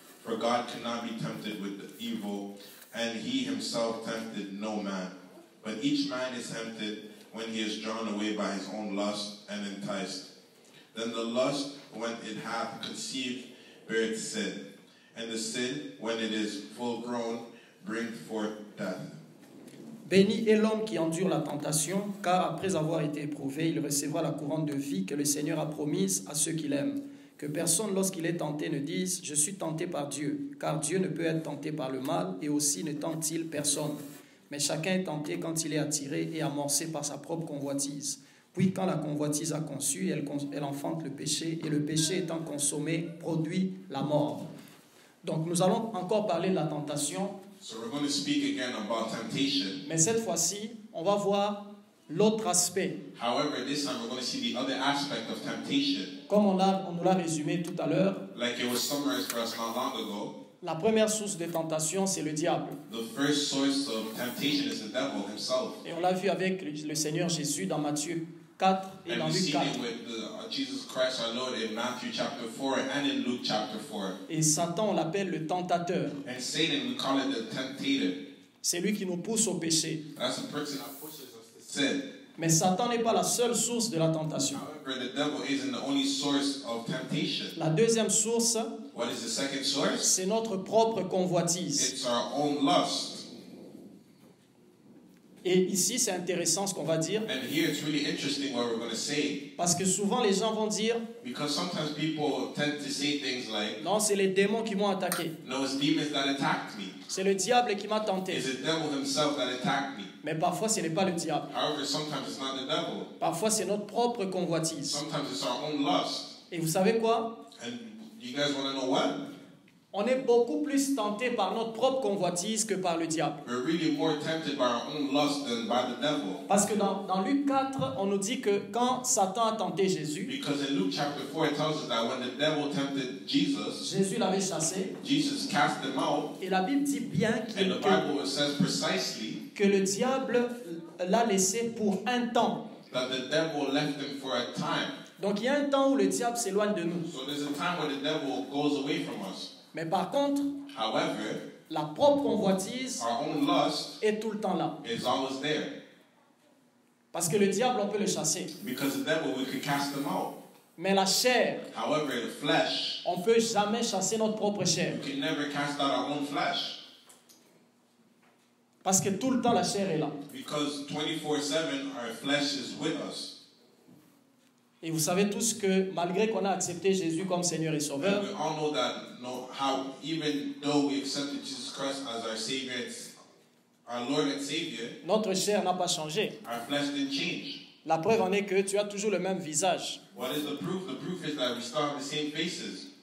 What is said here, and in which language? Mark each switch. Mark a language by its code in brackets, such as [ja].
[en] For God cannot be tempted with evil, and he himself tempted no man. But each man is tempted when he is drawn away by his own lust and enticed. Then the lust, when it hath conceived, beareth sin. And the sin, when it is full grown, bringeth forth death. [fr] Béni est l'homme qui endure la tentation, car après avoir été éprouvé, il recevra la couronne de vie que le Seigneur a promise à ceux qui l'aiment. Que personne, lorsqu'il est tenté, ne dise « Je suis tenté par Dieu », car Dieu ne peut être tenté par le mal, et aussi ne tente-t-il personne. Mais chacun est tenté quand il est attiré et amorcé par sa propre convoitise. Puis quand la convoitise a conçu, elle enfante le péché, et le péché étant consommé, produit la mort. Donc nous allons encore parler de la tentation, [en] so we're going to speak again about temptation. [fr] Mais cette fois-ci, on va voir l'autre aspect. [en] However, this time we're going to see the other aspect of temptation. [fr] Comme on nous l'a résumé tout à l'heure, [en] like it was summarized for us not long ago, [fr] la première source de tentation, c'est le diable. [en] The first source of temptation is the devil himself. [fr] Et on l'a vu avec le Seigneur Jésus dans Matthieu 4 et [en] and [fr] dans Luc 4. [en] With the, Jesus Christ our Lord in Matthew chapter 4 and in Luke chapter 4. [fr] Et Satan, on l'appelle le tentateur. [en] And Satan, we call it the tentator. [fr] C'est lui qui nous pousse au péché. [en] That's the person that pushes us to sin. [fr] Mais Satan n'est pas la seule source de la tentation. [en] However, the devil isn't the only source of temptation. [fr] La deuxième source, [en] what is the second source? [fr] C'est notre propre convoitise. [en] It's our own lust. [fr] Et ici, c'est intéressant ce qu'on va dire. [en] And here it's really interesting what we're going to say. [fr] Parce que souvent, les gens vont dire, [en] because sometimes people tend to say things like, [fr] non, c'est les démons qui m'ont attaqué. [en] No, it's demons that attacked me. [fr] C'est le diable qui m'a tenté. [en] It's the devil himself that attacked me. [fr] Mais parfois, ce n'est pas le diable. [en] However, sometimes it's not the devil. [fr] Parfois, c'est notre propre convoitise. [en] Sometimes it's our own lust. [fr] Et vous savez quoi? [en] And you guys want to know what? [fr] On est beaucoup plus tenté par notre propre convoitise que par le diable. [en] We're really more tempted by our own lust than by the devil. [fr] Parce que dans Luc 4, on nous dit que quand Satan a tenté Jésus, [en] because in Luke chapter 4, it tells us that when the devil tempted Jesus, [fr] Jésus l'avait chassé, [en] Jesus cast him out, [fr] et la Bible dit bien qu'il, [en] and the Bible says precisely, [fr] que le diable l'a laissé pour un temps. [en] That the devil left him for a time. [fr] Donc il y a un temps où le diable s'éloigne de nous. [en] So there's a time where the devil goes away from us. [fr] Mais par contre, [en] however, [fr] la propre convoitise, [en] our own lust, [fr] est tout le temps là. [en] Is always there. [fr] Parce que le diable, on peut le chasser. [en] Because the devil, we could cast them out. [fr] Mais la chair, [en] however, the flesh, [fr] on ne peut jamais chasser notre propre chair. [en] We can never cast out our own flesh. [fr] Parce que tout le temps, la chair est là. [en] Because 24/7, our flesh is with us. [fr] Et vous savez tous que malgré qu'on a accepté Jésus comme Seigneur et Sauveur, [en] we all know that, how even though we accepted Jesus Christ as our Savior, our Lord and Savior, [fr] notre chair n'a pas changé. [en] Our flesh didn't change. [fr] La preuve en est que tu as toujours le même visage. [en] What is the proof? The proof is that we still have the same faces.